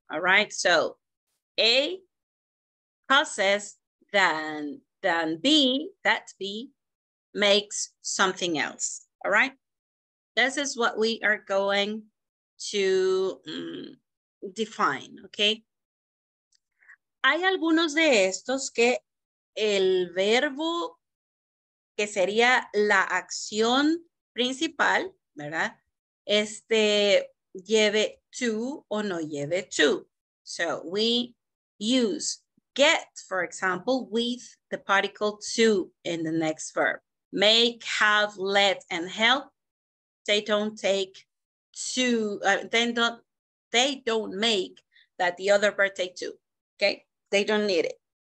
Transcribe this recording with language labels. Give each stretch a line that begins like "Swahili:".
English: All right, so A causes then B, that B makes something else, all right? This is what we are going to define, okay?
Spanish: Hay algunos de estos que el verbo que sería la acción principal, ¿verdad? Este lleve to o no lleve to.
English: So we use get, for example, with the particle to in the next verb. Make, have, let, and help. They don't take to, they don't make that the other verb take to, okay? They don't need it.